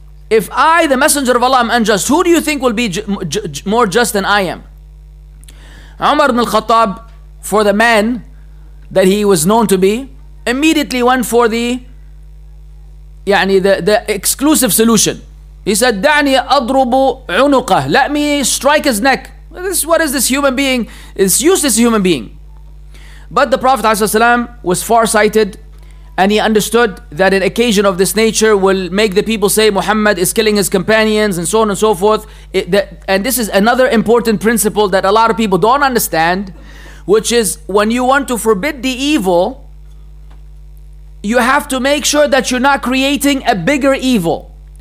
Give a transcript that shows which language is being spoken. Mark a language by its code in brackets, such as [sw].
[en] If I, the Messenger of Allah, am unjust, who do you think will be more just than I am? Umar ibn al-Khattab, for the man, that he was known to be, immediately went for the [ar] يعني [en] the exclusive solution. He said, [ar] دعني أضرب عنقه. [en] Let me strike his neck. This, what is this human being? It's useless human being. But the Prophet ﷺ was farsighted, and he understood that an occasion of this nature will make the people say Muhammad is killing his companions and so on and so forth. And this is another important principle that a lot of people don't understand, which is when you want to forbid the evil, you have to make sure that you're not creating a bigger evil.